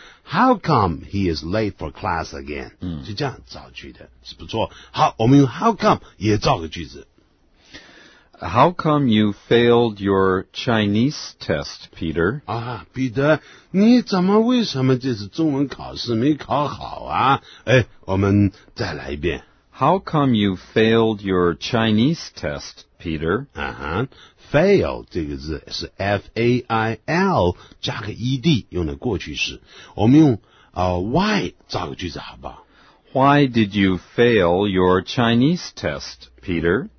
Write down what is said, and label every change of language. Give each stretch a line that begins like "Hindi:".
English: How come he is late for class again?、嗯、
Chinese: 是这样造句的，是不错。好，我们用 how come 也造个句子。
English: How come you failed your Chinese test, Peter?
Chinese: 啊，彼得，你怎么为什么这次中文考试没考好啊？哎，我们再来一遍。
English: How come you failed your Chinese test, Peter?
Chinese: 啊哈 ,fail 这个字是 F-A-I-L 加个 E-D 用的过去式。我们用why 造个句子好不好
English: ?Why did you fail your Chinese test, Peter?